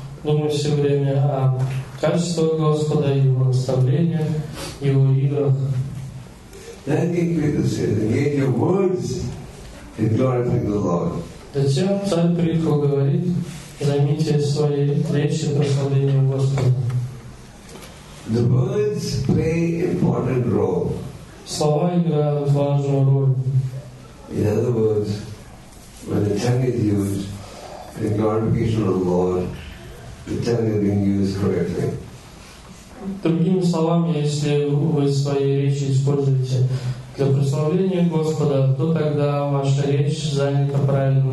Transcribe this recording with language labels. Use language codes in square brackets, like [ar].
[ru] думаю все время о качествах Господа, Его наставления, Его играх. [en] Then Peter said, "Get your words and glorify the Lord." [ru] Затем царь Петр говорит, займите свои речи прославлением Господа. [en] The words play an important role. [ru] Слова играют важную роль. [en] In other words, when the tongue is used in glorification of the Lord, the tongue is being used correctly. [ru] Другими словами, если вы свои речи используете для прославления Господа, то тогда ваша речь занята правильным